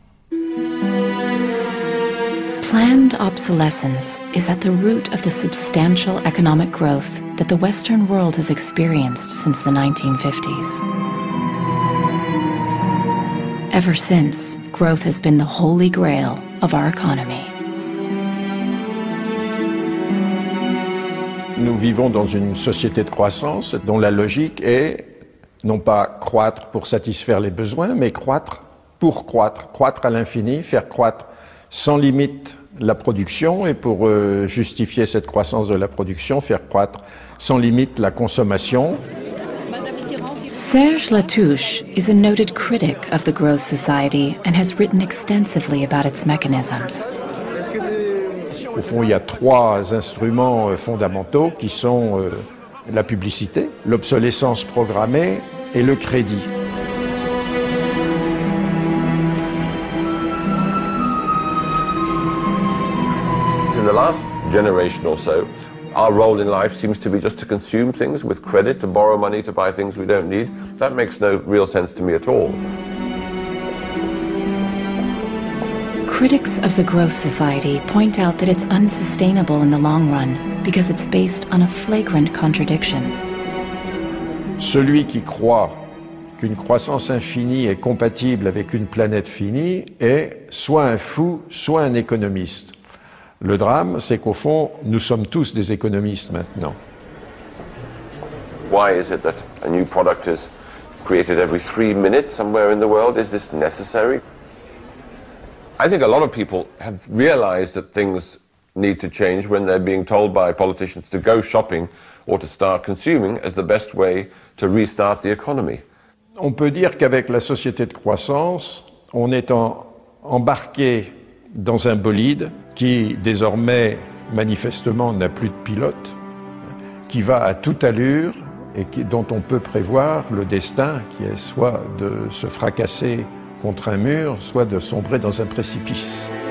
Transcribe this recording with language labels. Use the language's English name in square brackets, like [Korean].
[English] Planned obsolescence is at the root of the substantial economic growth that the Western world has experienced since the 1950s. Ever since, growth has been the holy grail of our economy. [French] Nous vivons dans une société de croissance dont la logique est non pas croître pour satisfaire les besoins, mais croître pour croître, croître à l'infini, faire croître sans limite la production et pour justifier cette croissance de la production, faire croître sans limite la consommation. [English] Serge Latouche is a noted critic of the growth society and has written extensively about its mechanisms. [French] Au fond, il y a trois instruments fondamentaux qui sont la publicité, l'obsolescence programmée et le crédit. [English] In the last generation or so, our role in life seems to be just to consume things with credit, to borrow money to buy things we don't need. That makes no real sense to me at all. Critics of the Growth Society point out that it's unsustainable in the long run because it's based on a flagrant contradiction. [French] Celui qui croit qu'une croissance infinie est compatible avec une planète finie est soit un fou, soit un économiste. Le drame, c'est qu'au fond, nous sommes tous des économistes maintenant. [English] Why is it that a new product is created every 3 minutes somewhere in the world? Is this necessary? I think a lot of people have realized that things need to change when they're being told by politicians to go shopping or to start consuming as the best way to restart the economy. [French] On peut dire qu'avec la société de croissance, on est embarqué dans un bolide qui désormais manifestement n'a plus de pilote, qui va à toute allure et dont on peut prévoir le destin, qui est soit de se fracasser contre un mur, soit de sombrer dans un précipice.